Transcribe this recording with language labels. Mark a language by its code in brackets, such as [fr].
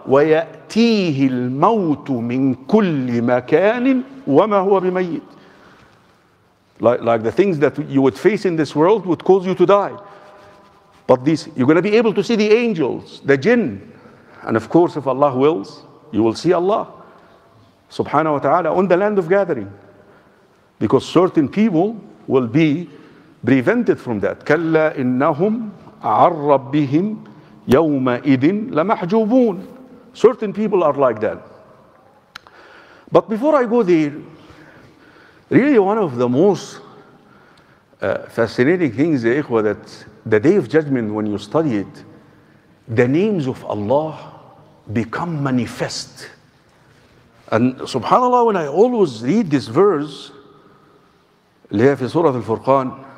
[ar] وَيَأْتِيهِ الْمَوْتُ مِنْ كُلِّ مَكَانٍ وَمَا هُوَ بِمَيِّتٍ [en] Like the things that you would face in this world would cause you to die. But these, you're going to be able to see the angels, the jinn. And of course, if Allah wills, you will see Allah. Subhanahu wa ta'ala on the land of gathering. Because certain people will be prevented from that. [ar] كَلَّا إِنَّهُمْ عَنْ رَبِّهِمْ يَوْمَئِذٍ لَمَحْجُوبُونَ [en] Certain people are like that. But before I go there, really one of the most fascinating things, ikhwa, that the Day of Judgment, when you study it, the names of Allah become manifest. And subhanAllah, when I always read this verse, [ar] اللي هي في سورة الفرقان